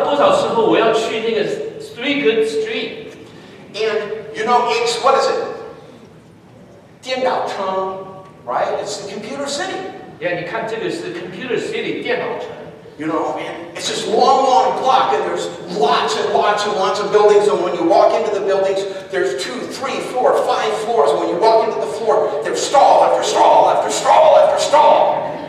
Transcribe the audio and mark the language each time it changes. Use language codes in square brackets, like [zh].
[zh] 你不知道多少时候我要去那个 Three Good Street. [en] And you know, it's what is it? [zh] 颠倒城。 [en] Right? It's the computer city. [zh] Yeah, 你看这个是 computer city, 电脑城. [en] You know, man, it's this long, long block and there's lots and lots and lots of buildings, and when you walk into the buildings, there's 2, 3, 4, 5 floors, and when you walk into the floor, there's stall after stall after stall after stall.